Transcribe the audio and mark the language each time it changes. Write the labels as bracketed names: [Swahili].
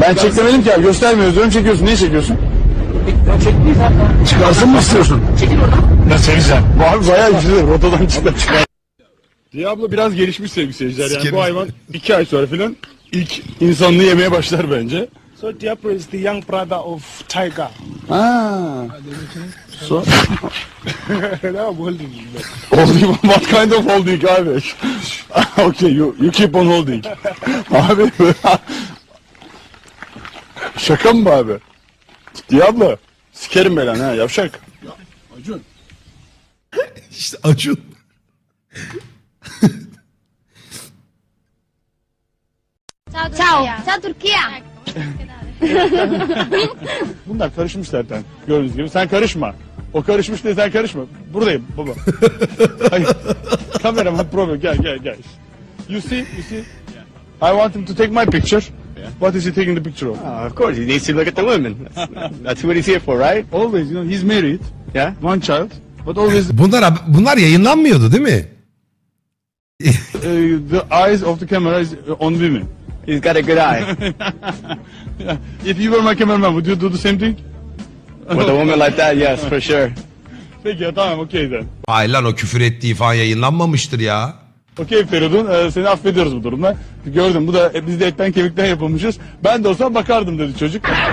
[Turkish] Ben çekmedim ki abi. Göstermiyoruz. Diyorum çekiyorsun. Niye çekiyorsun? Çıkarsın mı istiyorsun? Çekil oradan. Ne seveceksin? Bayağı güzel. Rotadan çıkar. Diablo biraz gelişmiş sevgili seyirciler. Yani bu hayvan 2 ay sonra filan ilk insanını yemeye başlar bence. [English] So Diablo is the young brother of Tiger. So? [Turkish] Ne yapayım holding? [English] Holding? What kind of holding abi? Okay, you keep on holding. [Turkish] Abi. Şaka mı bu abi? Diablo, sikerim be lan ha, yavşak. Ya, Acun. İşte Acun. Ciao, ciao Türkiye. Bunlar karışmış zaten, gördüğünüz gibi. Sen karışma. O karışmış diye sen karışma. Buradayım, baba. Hayır, kameraman problem, gel. [English] You see? Yeah. I want him to take my picture. Yeah. What is he taking the picture of? Of course, he needs to look at the women. That's what he's here for, right? Always, you know, he's married. Yeah. One child. But always... [Turkish] bunlar yayınlanmıyordu, değil mi? [English] The eyes of the camera is on women. He's got a good eye. If you were my cameraman, would you do the same thing? With a woman like that, yes, for sure. [Turkish] Peki ya, tamam, [English] okay then. [Turkish] Vay lan, o küfür ettiği falan yayınlanmamıştır ya. Okey Feridun, seni affediyoruz bu durumda. Gördüm, bu da biz de etten kemikten yapılmışız. Ben de olsam bakardım dedi çocuk.